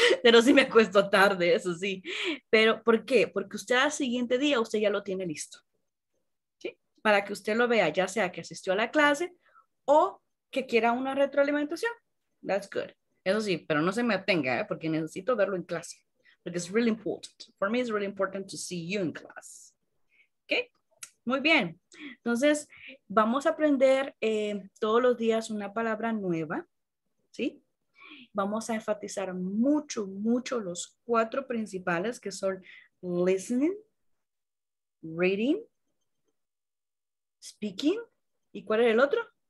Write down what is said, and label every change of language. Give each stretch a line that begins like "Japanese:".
Spanish: Pero sí me acuesto tarde, eso sí. Pero, ¿por qué? Porque usted al siguiente día, usted ya lo tiene listo. ¿Sí? Para que usted lo vea, ya sea que asistió a la clase o que quiera una retroalimentación.
English: That's good.
Spanish: Eso sí, pero no se me atenga, ¿eh? Porque necesito verlo en clase. Porque es
English: really important. For me, it's really important to see you in class. ¿Ok?
Spanish: Muy bien, entonces vamos a aprender todos los días una palabra nueva, ¿sí? Vamos a enfatizar mucho, mucho los cuatro principales que son listening, reading, speaking, ¿y cuál es el otro?